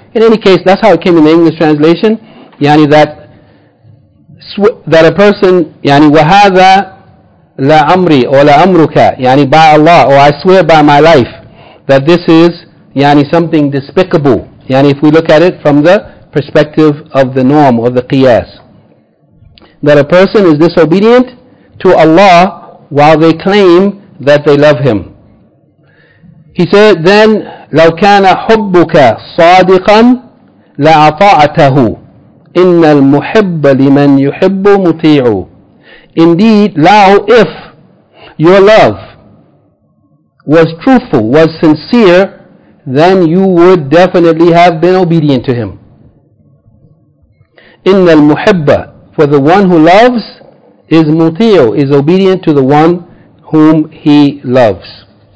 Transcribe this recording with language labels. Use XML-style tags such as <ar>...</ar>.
<en>In any case, that's how it came in the English translation. Yani, that a person, yani, wahada la amri or la amruka, yani, by Allah, or I swear by my life, that this is, yani, something despicable. Yani, if we look at it from the perspective of the norm or the qiyas, that a person is disobedient to Allah while they claim that they love him. He said, then</en> <ar>لو كان حبك صادقا لأطاعته إن المحب لمن يحب مطيع.</ar> <en>Indeed, لو, if your love was truthful, was sincere, then you would definitely have been obedient to him.</en> <ar>إن المحب,</ar> <en>for the one who loves is مطيع, is obedient to the one whom he loves.</en>